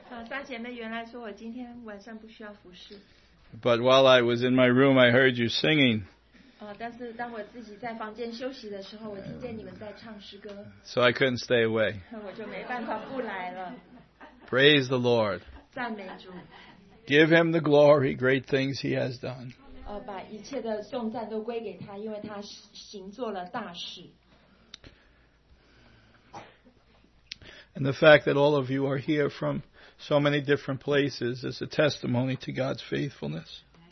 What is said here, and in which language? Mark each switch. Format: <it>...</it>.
<zh>大姐妹原来说我今天晚上不需要服侍。</zh> <en>But while I was in my room, I heard you singing.</en> <zh>但是当我自己在房间休息的时候，我听见你们在唱诗歌。</zh> <en>So I couldn't stay away.</en> <zh>我就没办法不来了。</zh> <en>Praise the Lord.</en> <zh>赞美主。</zh> <en>Give him the glory, great things he has done.</en> <zh>把一切的颂赞都归给他，因为他行做了大事。</zh> <en>And the fact that all of you are here from so many different places is a testimony to God's faithfulness.</en>